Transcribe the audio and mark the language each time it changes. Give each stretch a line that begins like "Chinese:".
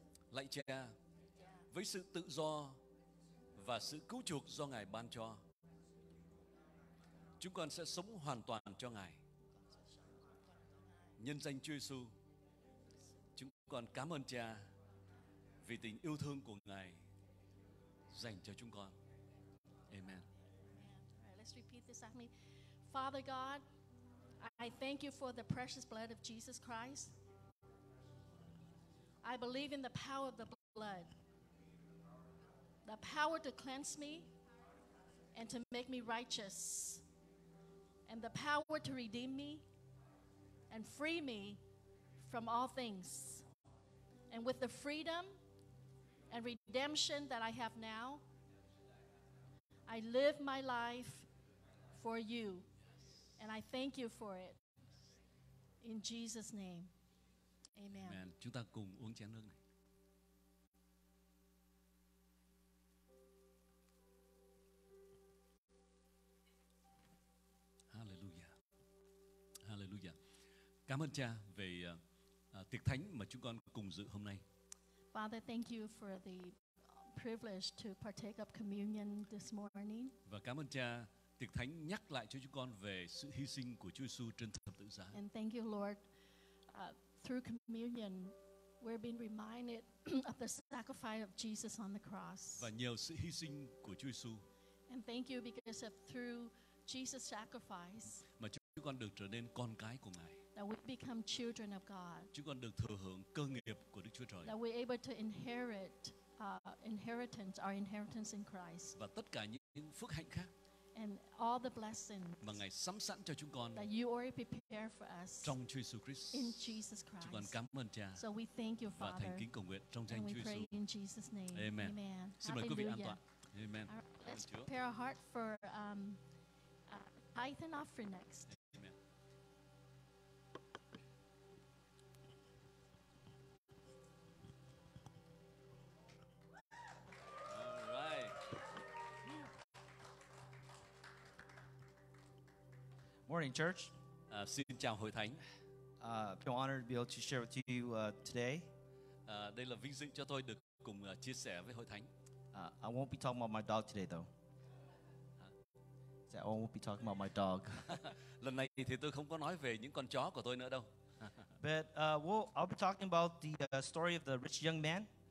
Vietnamese: Lạy Cha, với sự tự do và sự cứu chuộc do Ngài ban cho, chúng con sẽ sống hoàn toàn cho Ngài. Nhân danh Chúa Giêsu, chúng con cảm ơn Cha vì tình yêu thương của Ngài dành cho chúng con. Amen.
English: All right, let's repeat this after me. Father God, I thank you for the precious blood of Jesus Christ. I believe in the power of the blood, the power to cleanse me and to make me righteous, and the power to redeem me and free me from all things. And with the freedom and redemption that I have now, I live my life for you, and I thank you for it. In Jesus' name, amen. Amen.
Vietnamese: Chúng ta cùng uống chén nước này. Hallelujah. Hallelujah. Cảm ơn Cha về tiệc thánh mà chúng con cùng dự hôm nay.
English: Father, thank you for the privilege to partake of communion this morning.
Vietnamese: Và cảm ơn Cha, tiệc thánh nhắc lại cho chúng con về sự hy sinh của Chúa Giêsu trên thập tự giá.
English: And thank you, Lord, through communion, we're being reminded of the sacrifice of Jesus on the cross.
Vietnamese: Và nhờ sự hy sinh của Chúa Giêsu.
English: And thank you because of through Jesus' sacrifice.
Vietnamese: Mà chúng con được trở nên con cái của Ngài.
English: That we become children of God.
Vietnamese: Chúng con được thừa hưởng cơ nghiệp của Đức Chúa Trời.
English: That we're able to inherit inheritance, our inheritance in Christ.
Vietnamese: Và tất cả những phước hạnh khác.
English: And all the blessings.
Vietnamese: Mà Ngài sắm sẵn cho chúng con.
English: That you already prepared for us.
Vietnamese: Trong Chúa Jesus Christ.
English: In Jesus Christ.
Vietnamese: Chúng con cảm ơn Cha.
English: So we thank you, Father.
Vietnamese: Và thành kính cầu nguyện trong danh Chúa Jesus.
English: And we pray in Jesus' name. Amen. Amen.
Vietnamese: Xin mời quý vị an toàn. Amen.
English: Let's prepare our heart for tithe and offering next. Amen. Morning, church.
Vietnamese: Xin chào hội thánh.
English: Feel honored to be able to share with you today.
Vietnamese: Đây là vinh dự cho tôi được cùng chia sẻ với hội thánh.
English: I won't be talking about my dog today, though. Huh? So I won't be talking about my dog.
Vietnamese: Lần này thì tôi không có nói về những con chó của tôi nữa đâu.
English: But I'll be talking about the story of the rich young man.